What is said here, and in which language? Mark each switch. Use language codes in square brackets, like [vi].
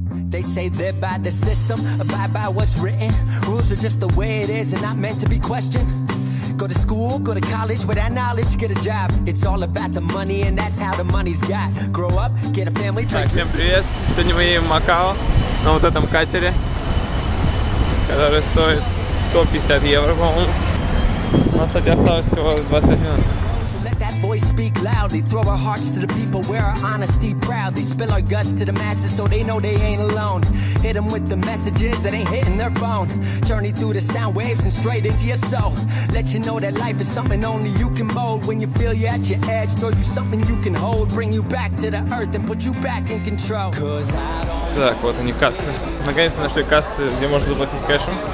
[en] They say they're by the system, abide by what's written. Rules are just the way it is and not meant to be questioned. Go to school, go to college, with that knowledge, get a job. It's all about the money, and that's how the money's got. Grow up, get a family. [ru] Так, всем привет! Сегодня мы едем в Макао на вот этом катере, который стоит 150 евро, по-моему. У нас, кстати, осталось всего 25 минут. [en] Voice speak loudly, throw our hearts to the people, wear our honesty proudly, spill our guts to the masses so they know they ain't alone. Hit them with the messages that ain't hitting their phone. Journey through the sound waves and straight into your soul. Let you know that life is something only you can mold. When you feel you're at your edge, throw you something you can hold. Bring you back to the earth and put you back in control. [ru] Так, вот они, кассы. Наконец-то нашли кассы, где можно заплатить кэшем.